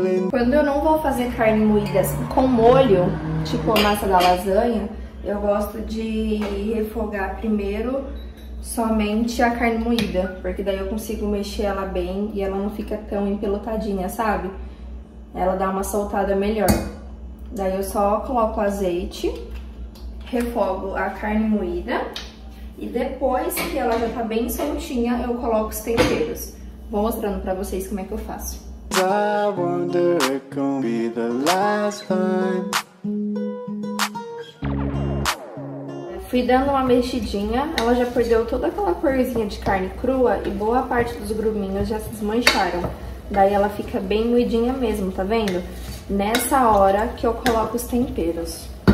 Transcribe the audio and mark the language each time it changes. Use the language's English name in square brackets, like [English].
[Portuguese] Quando eu não vou fazer carne moída com molho, tipo a massa da lasanha, eu gosto de refogar primeiro somente a carne moída, porque daí eu consigo mexer ela bem e ela não fica tão empelotadinha, sabe? Ela dá uma soltada melhor. Daí eu só coloco o azeite, refogo a carne moída e depois que ela já tá bem soltinha, eu coloco os temperos. Vou mostrando pra vocês como é que eu faço. [English] I wonder if it can be the last time. [Portuguese] Fui dando uma mexidinha, ela já perdeu toda aquela corzinha de carne crua e boa parte dos gruminhos já se desmancharam. Daí ela fica bem moidinha mesmo, tá vendo? Nessa hora que eu coloco os temperos.